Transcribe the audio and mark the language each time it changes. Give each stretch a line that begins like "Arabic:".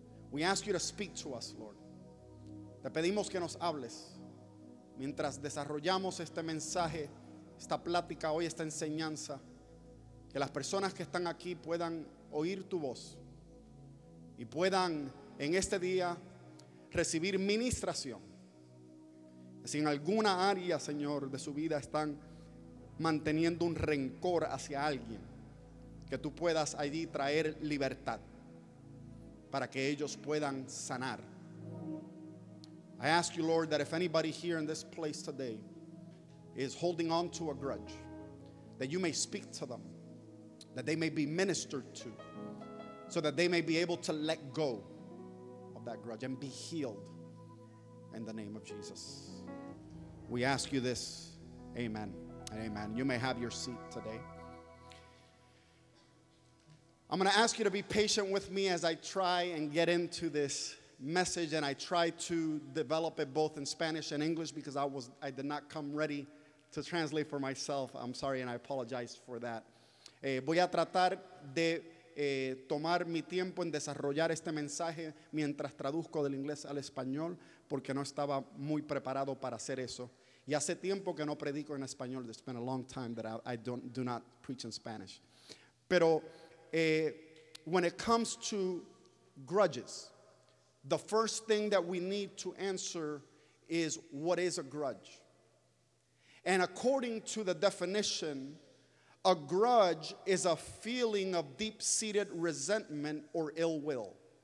English: We ask you to speak to us, Lord.
Spanish: Te pedimos que nos hables. Mientras desarrollamos este mensaje, esta plática hoy, esta enseñanza, que las personas que están aquí puedan oír tu voz y puedan en este día recibir ministración. Si en alguna área, Señor, de su vida están manteniendo un rencor hacia alguien, que tú puedas allí traer libertad para que ellos puedan sanar.
English: I ask you, Lord, that if anybody here in this place today is holding on to a grudge, that you may speak to them, that they may be ministered to, so that they may be able to let go of that grudge and be healed in the name of Jesus. We ask you this, amen and amen. You may have your seat today. I'm going to ask you to be patient with me as I try and get into this message, and I try to develop it both in Spanish and English because I did not come ready to translate for myself. I'm sorry and I apologize for that.
Spanish: Voy a tratar de tomar mi tiempo en desarrollar este mensaje mientras traduzco del inglés al español porque no estaba muy preparado para hacer eso. Y hace tiempo que no predico en español.
English: It's been a long time that I do not preach in Spanish.
Spanish: Pero
English: when it comes to grudges, the first thing that we need to answer is, what is a grudge? And according to the definition, a grudge is a feeling of deep-seated resentment or ill will.